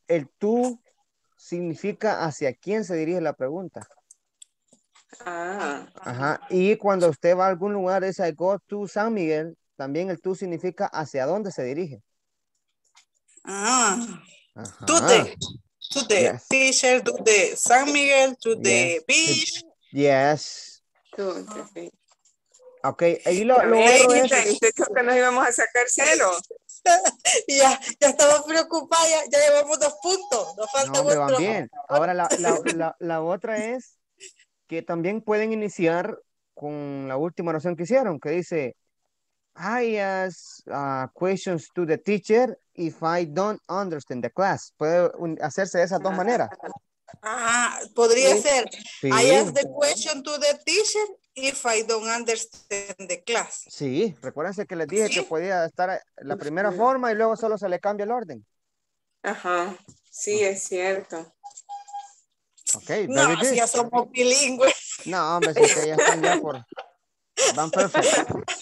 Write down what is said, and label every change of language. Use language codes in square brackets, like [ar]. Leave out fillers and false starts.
[es] El tú significa hacia quién se dirige la pregunta. Ah. Ajá. Y cuando usted va a algún lugar, dice [en] I go to San Miguel, [es] también el tú significa hacia dónde se dirige. [en] Ah. To the yes. Teacher, to the San Miguel, to the beach. Yes. Okay. [es] Ahí lo bueno es que nos íbamos a sacar cero. ya estaba preocupada, ya llevamos 2 puntos. Nos falta otro. Van bien. Ahora la otra es que también pueden iniciar con la última oración que hicieron, que dice [en] I ask questions to the teacher if I don't understand the class. [es] Puede hacerse de esas dos maneras. Podría sí. Ser. Sí. [en] I ask the question to the teacher if I don't understand the class. [es] Sí, recuérdense que les dije ¿sí? Que podía estar la primera sí. Forma y luego solo se le cambia el orden. Ajá, sí, es cierto. Ok, no, si ya somos bilingües. No, hombre, si ya están ya por... Van perfecto.